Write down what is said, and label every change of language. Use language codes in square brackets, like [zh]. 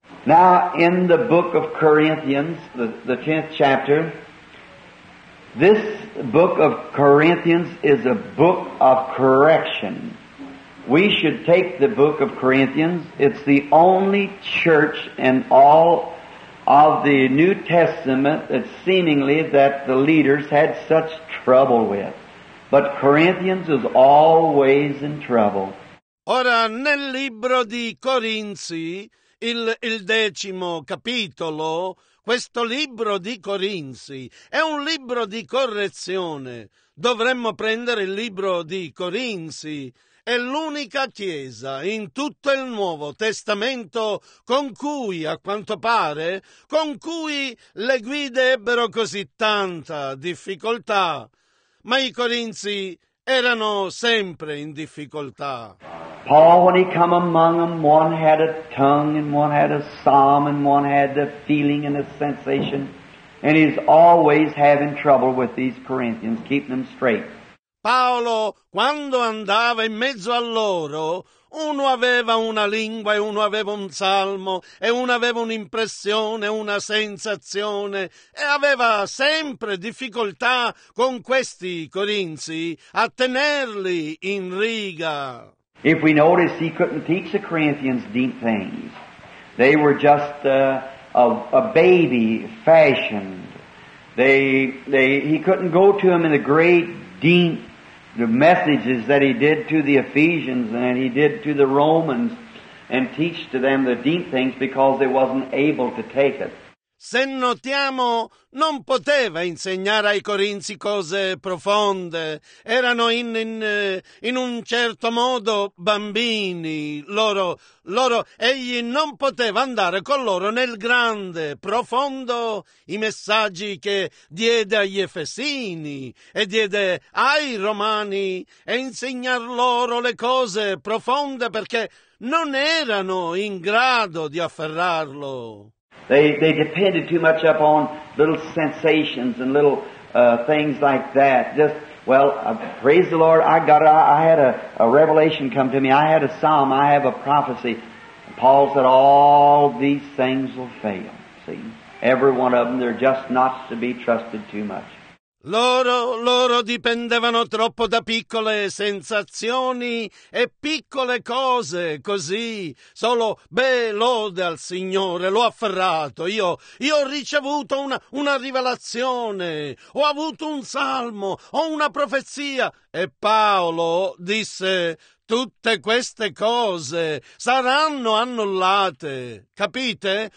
[en] Now, in the book of Corinthians, the 10th chapter, this book of Corinthians is a book of correction. We should take the book of Corinthians. It's the only church in all of the New Testament that seemingly that the leaders had such trouble with. But Corinthians is always in trouble. [it] Ora, nel libro di Corinzi, il decimo capitolo, questo libro di Corinzi è un libro di correzione. Dovremmo prendere il libro di Corinzi. È l'unica chiesa in tutto il Nuovo Testamento con cui, a quanto pare, con cui le guide ebbero così tanta difficoltà. Ma i Corinzi erano sempre in difficoltà. [en] Paul, when he come among them, one had a tongue and one had a psalm and one had the feeling and the sensation. And he's always having trouble with these Corinthians, keeping them straight. [it] Paolo, quando andava in mezzo a loro, uno aveva una lingua e uno aveva un salmo e uno aveva un'impressione, una sensazione e aveva sempre difficoltà con questi Corinzi a tenerli in riga. [en] If we notice, he couldn't teach the Corinthians deep things. They were just a baby fashioned. He couldn't go to them in the great deep the messages that he did to the Ephesians and he did to the Romans and teach to them the deep things because they wasn't able to take it. [it] Se notiamo, non poteva insegnare ai Corinzi cose profonde. Erano in un certo modo bambini. Egli non poteva andare con loro nel grande, profondo, i messaggi che diede agli Efesini e diede ai Romani e insegnar loro le cose profonde perché non erano in grado di afferrarlo. [en] They depended too much upon little sensations and little things like that. Just, well, praise the Lord, I got it. I had a revelation come to me. I had a psalm. I have a prophecy. And Paul said, all these things will fail. See, every one of them, they're just not to be trusted too much. [it] Loro dipendevano troppo da piccole sensazioni e piccole cose, così, solo, beh, lode al Signore, l'ho afferrato, io ho ricevuto una rivelazione, ho avuto un salmo, ho una profezia, e Paolo disse, tutte queste cose saranno annullate, capite?